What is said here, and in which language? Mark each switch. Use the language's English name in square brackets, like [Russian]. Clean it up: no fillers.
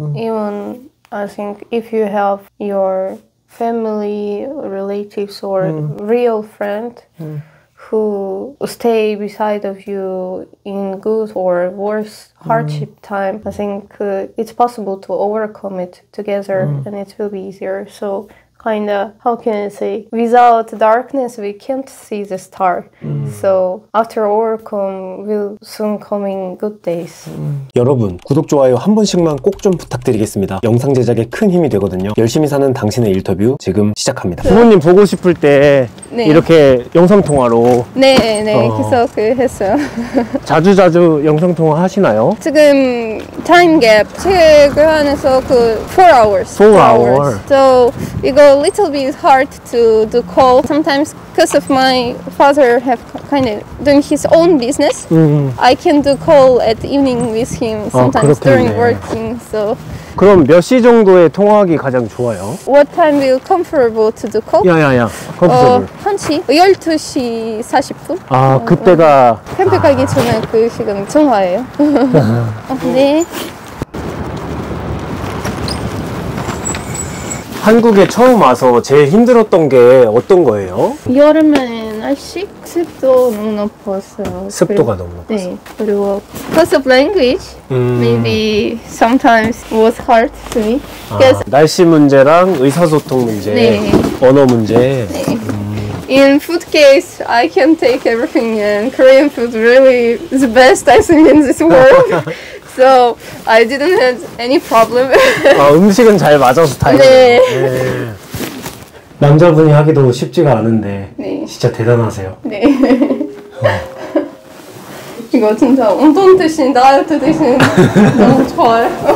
[English] Even I think if you have your family, relatives or real friend who stay beside of you in good or worse hardship time, I think it's possible to overcome it together and it will be easier. So kinda, how can I say, without darkness we can't see the star. So after overcome will soon coming good days. [Korean] 여러분, 구독, 좋아요 한 번씩만 꼭좀 부탁드리겠습니다. 영상 제작에 큰 힘이 되거든요. 열심히 사는 당신의 인터뷰 지금 시작합니다. 부모님 보고 싶을 때 네. 이렇게 영상통화로 네, 계속 했어요. 자주 영상통화 하시나요? 지금 [English] time gap [Korean] 체크 안에서 그 [English] 4 hours. So, it go a little bit hard to do call sometimes. Because of my father have kind of doing his own business, I can do call at evening with him sometimes during working. So. [Korean] 그럼 몇 시 정도에 통화하기 가장 좋아요? [English] What time will comfortable to do call? 야야야, [Korean] comfortable. 1시 40분. 아 그때가 캠프 가기 전에 그 시간 통화예요. 네. 한국에 처음 와서 제일 힘들었던 게 어떤 거예요? 여름에 날씨? 습도 너무 높았어요. 습도가 너무 높았어요. 네. [English] 그리고 because of language, maybe sometimes was hard to me. [Korean] 아, 날씨 문제랑 의사소통 문제, 네. 언어 문제. 네. [English] In food case, I can take everything and Korean food really is the best I think in this world. So I didn't have any problem. [Korean] 아, 음식은 잘 맞아서 다행이네요. 네. 남자분이 하기도 쉽지가 않은데 네. 진짜 대단하세요. 네. 이거 진짜 운동 대신 다이어트 대신 너무 좋아요.